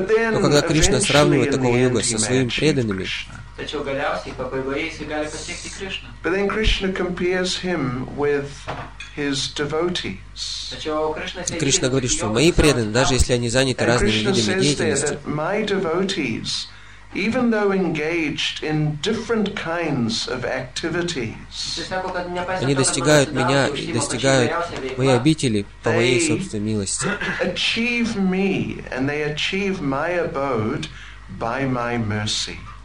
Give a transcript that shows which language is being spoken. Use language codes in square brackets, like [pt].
[ru] Но когда Кришна сравнивает такого йога со своими преданными, [en] But then Krishna compares him with his devotees. [ru] Кришна говорит, что мои преданные, даже если они заняты разными видами деятельности, [en] my devotees, even though engaged in different kinds of activities, [ru] они достигают меня, достигают мои обители по моей собственной милости. [en] Achieve me, and they achieve my abode by my mercy.